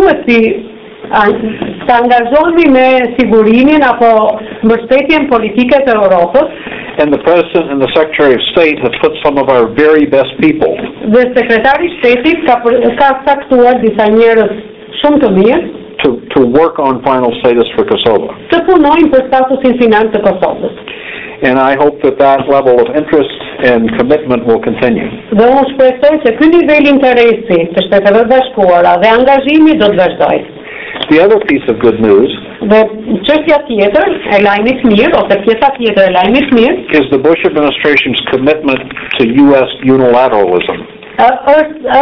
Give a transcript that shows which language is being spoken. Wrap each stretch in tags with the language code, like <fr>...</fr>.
<sq>Të angazhohemi me sigurinën apo mbështetjen politike të Evropës.</sq> <en>And the President and the Secretary of State have put some of our very best people.</en> <sq>Dhe sekretari I shtetit ka caktuar disa njerëz shumë të mirë</sq> <en>to work on final status for Kosovo.</en> <sq>Të punojnë për statusin final të Kosovës.</sq> <en>And I hope that that level of interest and commitment will continue.</en> <sq>Dhe unë shpresoj që ky nivel interesi të Shteteve Bashkuara dhe angazhimi do të vazhdojë.</sq> <en>The other piece of good news is the Bush administration's commitment to U.S. unilateralism.</en>